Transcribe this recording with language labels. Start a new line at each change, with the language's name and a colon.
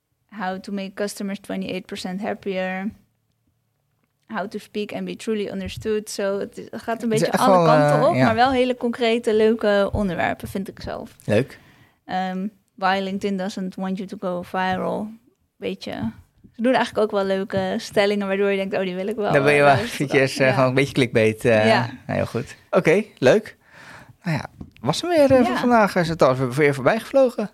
English: How to make customers 28% happier. How to speak and be truly understood.
Dutch: So, het gaat een beetje alle kanten op, maar wel hele concrete, leuke onderwerpen, vind ik zelf. Leuk.
English: Why LinkedIn doesn't want you to go viral.
Dutch: Beetje. Ze doen eigenlijk ook wel leuke stellingen, waardoor je denkt, oh, die wil ik wel. Dan ben je wel eventjes gewoon een beetje clickbait. Ja. Heel goed. Oké, leuk. Nou ja, was hem weer voor vandaag. Is het al weer voorbij gevlogen?